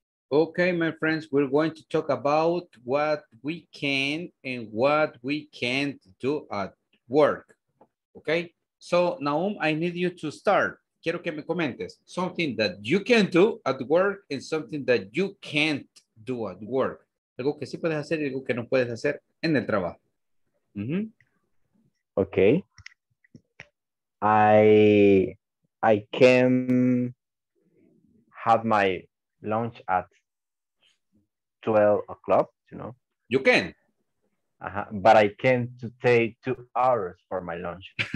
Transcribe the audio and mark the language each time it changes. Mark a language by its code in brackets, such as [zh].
[en] Okay, my friends, we're going to talk about what we can and what we can't do at work. Okay, so Naum, I need you to start. [es] Quiero que me comentes [en] something that you can do at work and something that you can't do at work. [es] Algo que sí puedes hacer y algo que no puedes hacer en el trabajo. Mm-hmm. [en] Okay. I can have my lunch at 12 o'clock, you know. You can. But I can't take 2 hours for my lunch.